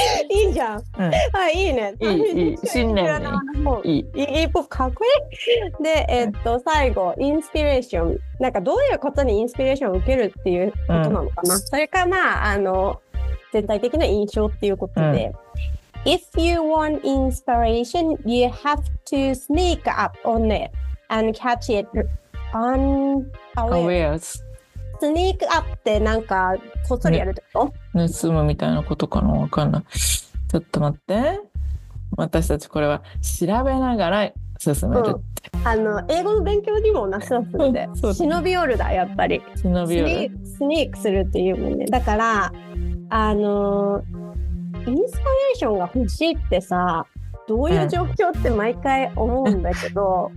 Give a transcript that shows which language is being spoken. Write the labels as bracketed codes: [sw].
[ja] いいじゃん。うん、あ、いいね。いい信念に。いい。かっこいい。で、最後、インスピレーション。なんかどういうことにインスピレーションを受けるっていうことなのかな。うん、それか、まあ、全体的な印象っていうことで。 [en] うん、If you want inspiration, you have to sneak up on it and catch it unawares. Sneak up [ja] ってなんかこっそりやるってこと？盗むみたいなことかな、わかんない。ちょっと待って、私たちこれは調べながら進めるって、うん、英語の勉強にもなさすんで。忍び寄るだ、やっぱり忍び寄る、スニークするっていうもんね。だからインスパレーションが欲しいってさ、どういう状況って毎回思うんだけど、